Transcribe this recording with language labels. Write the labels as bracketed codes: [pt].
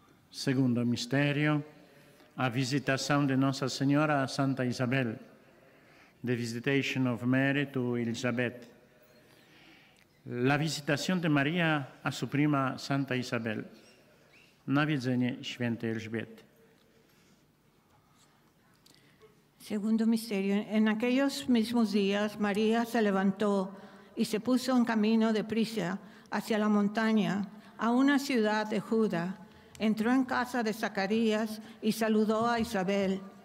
[pt] Segundo mistério, a visitação de Nossa Senhora a Santa Isabel. [en] The Visitation of Mary to Elizabeth. [es] La visitación de María a su prima Santa Isabel. [pl] Navidzenie Świętej Elżbiety. [es] Segundo misterio. En aquellos mismos días, María se levantó y se puso en camino de prisa hacia la montaña, a una ciudad de Judá. Entró en casa de Zacarías y saludó a Isabel.